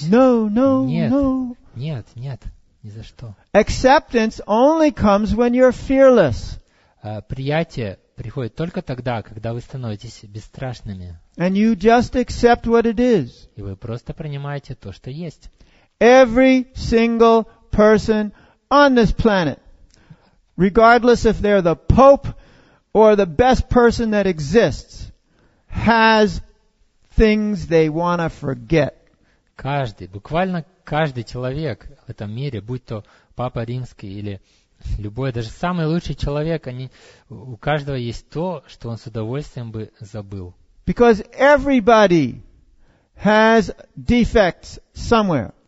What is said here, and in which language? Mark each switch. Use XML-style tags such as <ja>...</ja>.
<en>No, no,</en> <ru>нет,</ru> <en>no.</en> <ru>Нет, нет, ни за что.</ru> <en>Acceptance only comes when you're fearless.</en> <ru>Приятие приходит только тогда, когда вы становитесь бесстрашными.</ru> <en>And you just accept what it is.</en> <ru>И вы просто принимаете то, что есть.</ru> <en>Every single person on this planet, regardless if they're the Pope or the best person that exists, has things they want to forget.</en> <ru>Каждый, буквально каждый человек в этом мире, будь то Папа Римский или любой, даже самый лучший человек, они, у каждого есть то, что он с удовольствием бы забыл.</ru> <en>Because everybody has defects somewhere.</en>